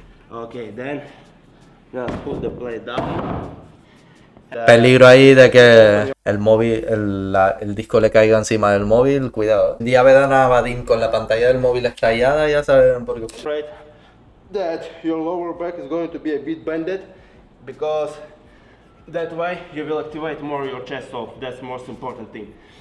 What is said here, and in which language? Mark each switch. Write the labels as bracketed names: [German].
[English] Okay, then now put the plate down. [Spanish] Peligro ahí de que el disco le caiga encima del móvil, cuidado. Un día me dan a Vadim con la pantalla del móvil estallada, ya saben por qué. [English] Right. That your lower back is going to be a bit bended because that way you will activate more your chest, so that's the most important thing.